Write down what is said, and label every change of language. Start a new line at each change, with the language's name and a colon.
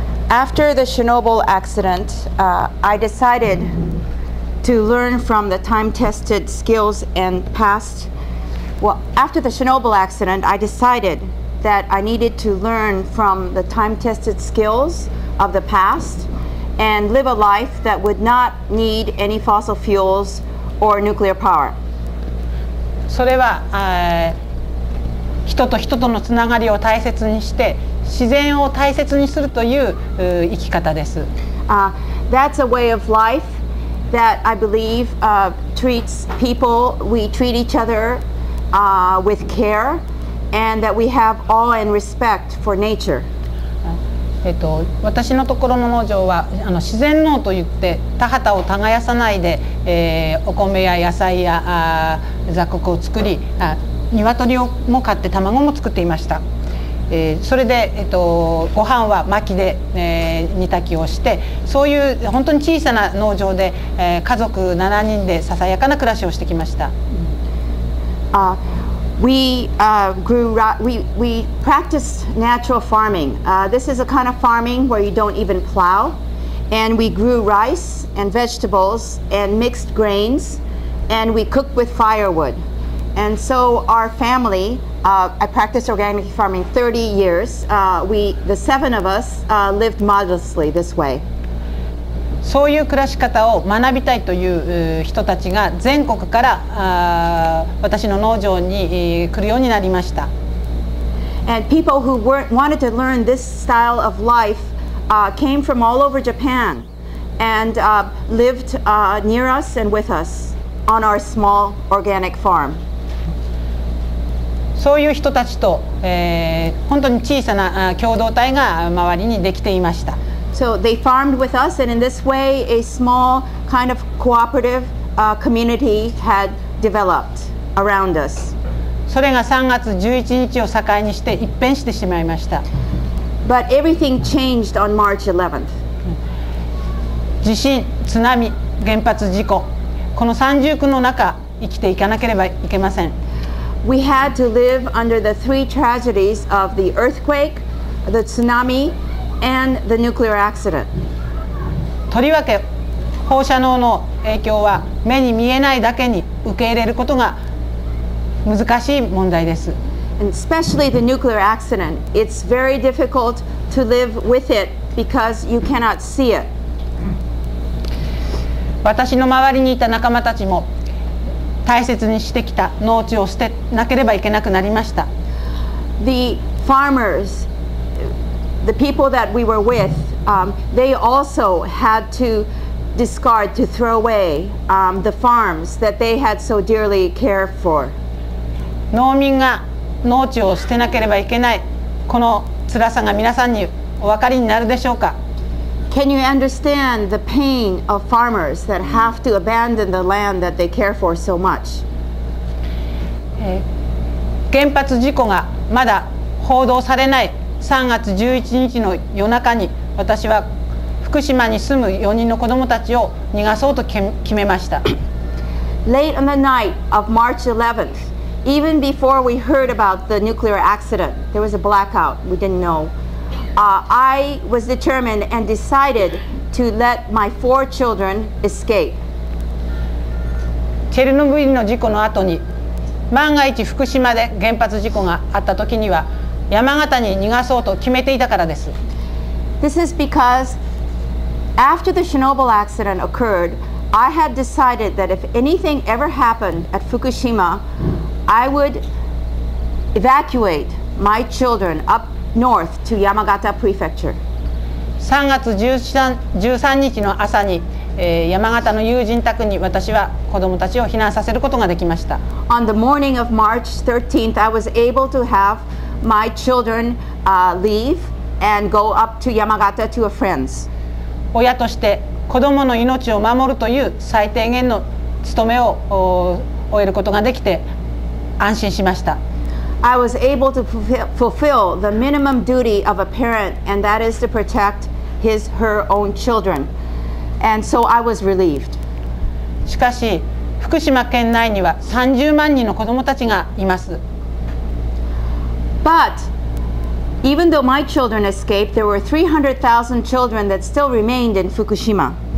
English: After the Chernobyl accident, I decided to learn from the time-tested skills and past. Well, after the Chernobyl accident, I decided that I needed to learn from the time-tested skills of the past and live a life that would not need any fossil fuels or nuclear power.
Japanese: それは、人と人とのつながりを大切にして、自然を大切にするという、生き方です。
English: That's a way of life that I believe treats people, we treat each other with care, and that we have awe and respect for nature.
Japanese: 私のところの農場は自然農といって田畑を耕さないで、お米や野菜や雑穀を作り、鶏も飼って卵も作っていました。それで、ご飯は薪で、煮炊きをして、そういう本当に小さな農場で、家族7人でささやかな暮らしをしてきました。
English: We practiced natural farming. This is a kind of farming where you don't even plow. And we grew rice and vegetables and mixed grains. And we cooked with firewood. And so our family, I practiced organic farming 30 years. The seven of us lived modestly this way.
Japanese: そういう暮らし方を学びたいという人たちが全国から私の農場に来るようになりました。
English: And people who wanted to learn this style of life came from all over Japan and lived near us and with us on our small organic farm.
Japanese: そういう人たちと、本当に小さな共同体が周りにできていました。
English: So they farmed with us, and in this way, a small kind of cooperative community had developed around us.
Japanese: それが3月11日を境にして一変してしまいました。
English: But everything changed on March 11th.
Japanese: 地震、津波、原発事故、この三重苦の中、生きていかなければいけません。
English: We had to live under the three tragedies of the earthquake, the tsunami, and the nuclear accident.
Japanese: とりわけ、放射能の影響は目に見えないだけに受け入れることが難しい問題です。
English: And especially the nuclear accident, it's very difficult to live with it because you cannot see it.
Japanese: 私の周りにいた仲間たちも大切にしてきた農地を捨てなければいけなくなりました。
English: The farmers, the people that we were with, they also had to discard, to throw away, the farms that they had so dearly cared for.
Japanese: 農民が農地を捨てなければいけない、この辛さが皆さんにお分かりになるでしょうか。
English: Can you understand the pain of farmers that have to abandon the land that they care for so much?
Japanese: 原発事故がまだ報道されない3月11日の夜中に、私は福島に住む4人の子どもたちを逃がそうと決めました。
English: Late on the night of March 11th, even before we heard about the nuclear accident, there was a blackout, we didn't know. I was determined and decided to let my four children escape.
Japanese: チェルノブイリの事故の後に、万が一福島で原発事故があった時には、山形に逃がそうと決めていたからです。
English: This is because after the Chernobyl accident occurred, I had decided that if anything ever happened at Fukushima, I would evacuate my children up. North to Yamagata Prefecture.
Japanese: 3月13日の朝に、山形の友人宅に私は子どもたちを避難させることができました。
English: On the morning of March 13th, I was able to have my children, leave and go up to Yamagata to a friend's.
Japanese: 親として子どもの命を守るという最低限の務めを終えることができて安心しました。
English: I was able to fulfill the minimum duty of a parent, and that is to protect his, her own children. And so I was relieved.
Japanese: しかし、福島県内には30万人の子どもたちがいます。
English: But even though my children escaped, there were 300,000 children that still remained in Fukushima.